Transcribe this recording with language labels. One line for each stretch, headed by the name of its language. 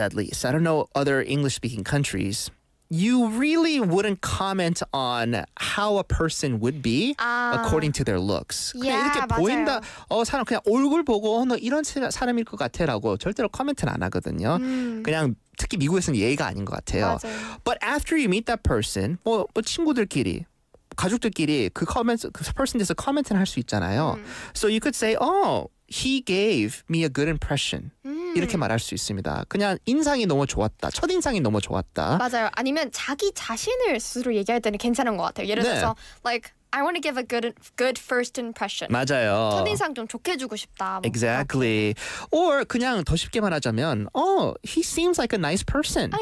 English: at least, I don't know other English-speaking countries, you really wouldn't comment on how a person would be according to their looks.
Korean: 그냥
English: yeah,
Korean: 이렇게 맞아요. 보인다. 사람 그냥 얼굴 보고 너 이런 사람일 것 같아라고 절대로 코멘트는 안 하거든요. 그냥 특히 미국에서는 예의가 아닌 것 같아요. 맞아요.
English: But after you meet that person,
Korean: 뭐 친구들끼리, 가족들끼리 그 comments, 그 person에서 코멘트는 할 수 있잖아요.
English: So you could say, he gave me a good impression.
Korean: 이렇게 말할 수 있습니다. 그냥 인상이 너무 좋았다. 첫인상이 너무 좋았다. 맞아요. 아니면 자기 자신을 스스로 얘기할 때는 괜찮은 것 같아요. 예를 들어서 네.
English: like I want to give a good first impression.
Korean: 맞아요. 첫인상 좀 좋게 주고 싶다. 뭐.
English: Exactly. Or
Korean: 그냥 더 쉽게 말하자면
English: he seems like a nice person.